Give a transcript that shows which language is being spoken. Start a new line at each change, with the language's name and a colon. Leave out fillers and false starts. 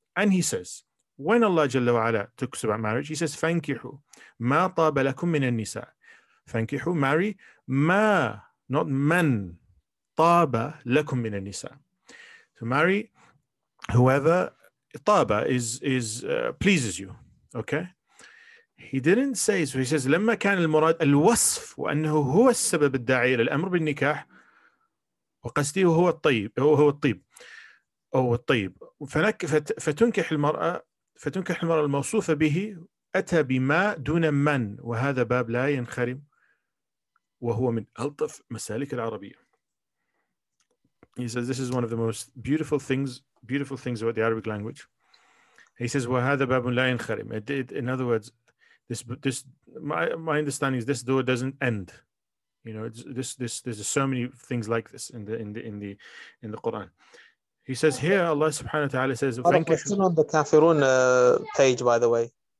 English: And he says, when Allah Jalla wa Ala talks about marriage, he says,
Arabic: فَانْكِحُوا مَا طَابَ لَكُمْ مِنَ النِّسَاءِ فَانْكِحُوا
English: marry مَا, not
Arabic: مَنْ طَابَ لَكُمْ مِنَ النِّسَاءِ.
English: So marry whoever طَابَ is pleases you, okay? He didn't say, so he says,
Arabic: لما كان المراد الوصف وأنه هو السبب الداعي للأمر بالنكاح وقصده هو الطيب, هو الطيب أو الطيب فتنكح المرأة الموصوفة به أتى بما دون من وهذا باب لا ينخرم وهو من ألطف مسالك العربية.
English: He says, this is one of the most beautiful things about the Arabic language. He says,
Arabic: وهذا باب لا ينخرم.
English: In other words, This my understanding is this door doesn't end, you know. There's so many things like this in the Quran. He says here, Allah subhanahu wa ta'ala says. Oh, it's on the Kafirun page, by the way.